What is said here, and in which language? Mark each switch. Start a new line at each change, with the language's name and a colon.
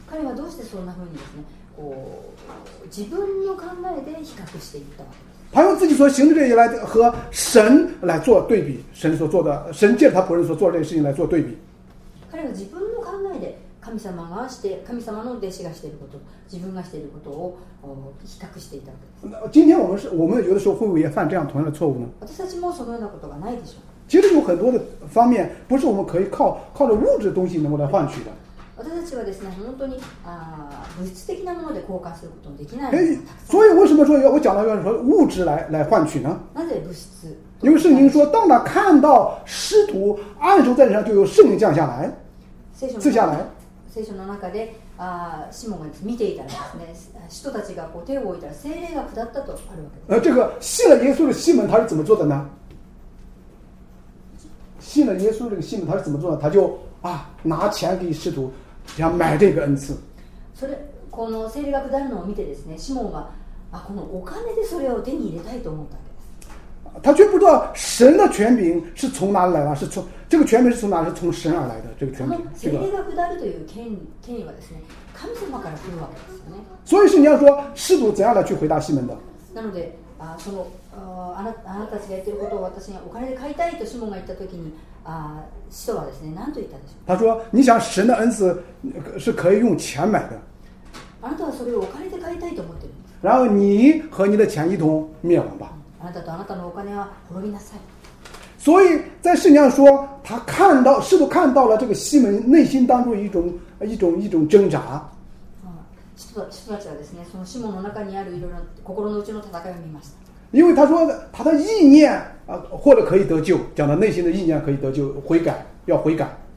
Japanese: 彼はどうしてそんな風にですね、こう自分の考えで比較していったわけです。
Chinese: 他用自己所行的这些来和神来做对比，神所做的，神借着他仆人所做的这些事情来做对比。
Japanese: 彼は自分の考えで神様がして、神様の弟子がしていること、自分がしていることを比較していたわけです。
Chinese: 今天我们有的时候会不会也犯这样同样的错误呢？
Japanese: 私たちもそのようなことがないでしょう。
Chinese: 其实有很多的方面不是我们可以靠着物质东西能够来换取的。
Japanese: 私たちはですね、本当に物質的なもので交換することもできないです。
Chinese: 所以为什么说要我讲到要说物质来换取呢？
Japanese: なぜ物質？
Chinese: 因为圣经说，当他看到使徒按手在脸上，就有圣灵降下来，赐下来。
Japanese: 聖書の中でシモンが見ていたらですね、使徒たちがこう手を置いたら聖霊が下ったとあるわけです。
Chinese: 这个信了耶稣的西门他是怎么做的呢？信了耶稣的西门他是怎么做的？他就啊拿钱给使徒，想买这个恩赐。
Japanese: それこの聖霊が下るのを見てですね、シモンはあこのお金でそれを手に入れたいと思ったわけです。
Chinese: 他却不知道神的权柄是从哪里来的，是从。这个权柄是从哪？是从神而来的。这个权柄，这个。
Japanese: 聖霊が下るという権威はですね、神様から来るわけですよね。
Chinese: 所以是你要说使徒怎样的去回答西门的。
Japanese: なので、あなたたちがやってることを私がお金で買いたいとシモンが言ったときに、使徒はですね、何と言ったでしょう。
Chinese: 他说：“你想神的恩赐是可以用钱买的。”
Japanese: あなたはそれをお金で買いたいと思ってる。
Chinese: 然后你和你的钱一同灭亡吧。
Japanese: あなたとあなたのお金は滅びなさい。
Chinese: 所以在圣经上说，他看到是不是看到了这个西门内心当中一种挣扎？啊，
Japanese: 使徒はですね、その西門の中にあるいろいろ心の内の戦いを見ました。
Chinese: 因为他说他的意念啊，或者可以得救，讲的内心的意念可以得救，悔改要悔改。